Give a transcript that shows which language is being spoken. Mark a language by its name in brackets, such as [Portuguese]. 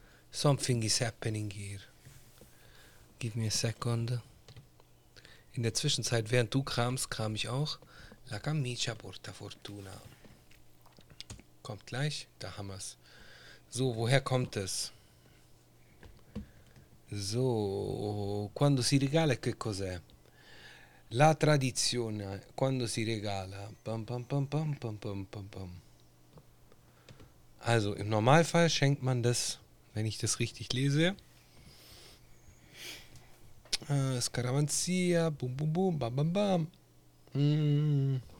[English] Something is happening here. Give me a second. [German] In der Zwischenzeit, während du kramst, kram ich auch. [Italian] La Camicia Porta Fortuna. [German] Kommt gleich, da haben wir es. So, woher kommt es? [Italian] So, quando si regala, che cos'è? La tradizione, quando si regala. Bam, bam, bam, bam, bam, bam, bam, bam. [German] Also, im Normalfall schenkt man das, wenn ich das richtig lese. Scaramanzia, bum bum bum, bam bam bam. Mm.